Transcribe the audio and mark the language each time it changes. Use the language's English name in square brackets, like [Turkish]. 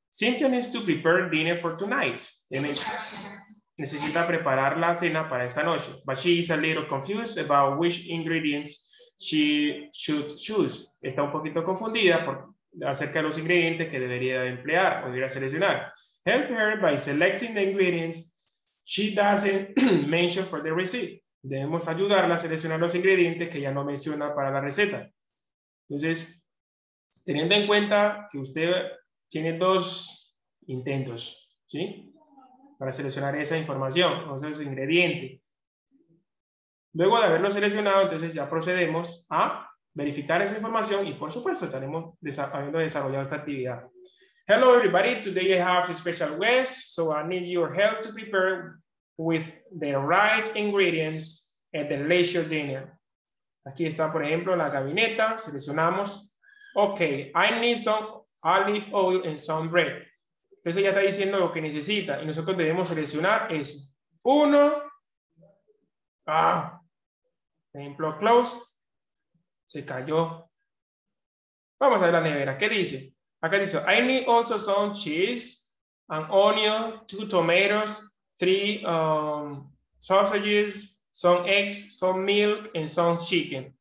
[English] Cynthia needs to prepare dinner for tonight. [Spanish] Necesita preparar la cena para esta noche. [English] But she is a little confused about which ingredients she should choose. [Spanish] Está un poquito confundida por acerca de los ingredientes que debería emplear o debería seleccionar. [English] Help her by selecting the ingredients she doesn't mention for the receipt. [Spanish] Debemos ayudarla a seleccionar los ingredientes que ella no menciona para la receta. Entonces, teniendo en cuenta que usted tiene dos intentos, ¿sí? Para seleccionar esa información, o sea, ese ingrediente. Luego de haberlo seleccionado, entonces ya procedemos a verificar esa información y, por supuesto, estaremos habiendo desarrollado esta actividad. [English] Hello, everybody. Today I have a special guest, so I need your help to prepare with the right ingredients at the leisure dinner. [Spanish] Aquí está, por ejemplo, la gabineta. Seleccionamos. [English] Okay, I need some olive oil and some bread. [Spanish] Entonces ella está diciendo lo que necesita y nosotros debemos seleccionar eso. Uno. Ah. Ejemplo, close. Se cayó. Vamos a ver la nevera. ¿Qué dice? Acá dice, [English] I need also some cheese, an onion, two tomatoes, three sausages, some eggs, some milk, and some chicken.